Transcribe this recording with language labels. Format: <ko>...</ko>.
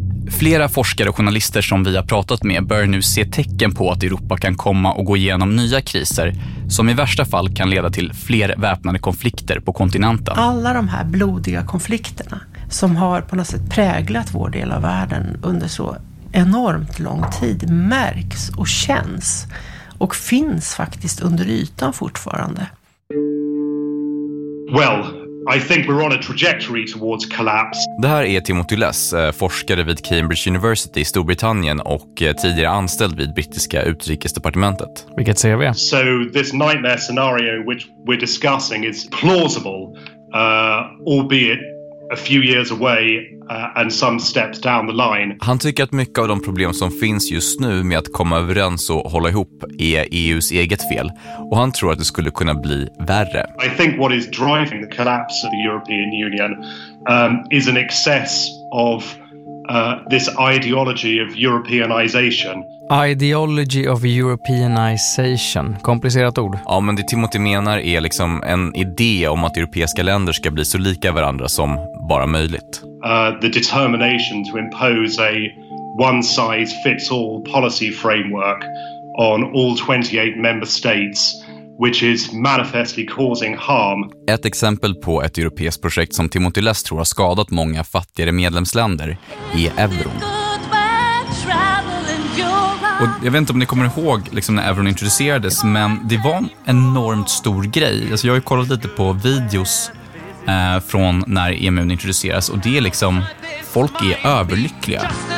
<sv>Flera forskare och journalister som vi har pratat med börjar nu se tecken på att Europa kan komma och gå igenom nya kriser som i värsta fall kan leda till fler väpnade konflikter på kontinenten. Alla de här blodiga konflikterna som har på något sätt präglat vår del av världen under så enormt lång tid märks och känns och finns faktiskt under ytan fortfarande.</sv> <en>Well, I think we're on a trajectory towards collapse.</en> <sv>Det här är Timothy Less, forskare vid Cambridge University i Storbritannien och tidigare anställd vid brittiska utrikesdepartementet. Vilket CV?</sv> <en>So this nightmare scenario which we're discussing is plausible, albeit a few years away and some steps down the line.</en> <sv>Han tycker att mycket av de problem som finns just nu med att komma överens och hålla ihop är EUs eget fel, och han tror att det skulle kunna bli värre.</sv> <en>I think what is driving the collapse of the European Union is an excess of this ideology of Europeanization. Ideology of Europeanization.</en> <sv>Komplicerat ord. Ja, men det Timothy menar är liksom en idé om att europeiska länder ska bli så lika varandra som bara möjligt.</sv> <en>The determination to impose a one size fits all policy framework on all 28 member states, which is manifestly causing harm.</en> <sv>Ett exempel på ett europeiskt projekt som Timothy Less tror har skadat många fattigare medlemsländer är euron. Och jag vet inte om ni kommer ihåg liksom när euron introducerades, men det var en enormt stor grej. Alltså jag har ju kollat lite på videos från när EMU introduceras, och det är liksom, folk är överlyckliga.</sv>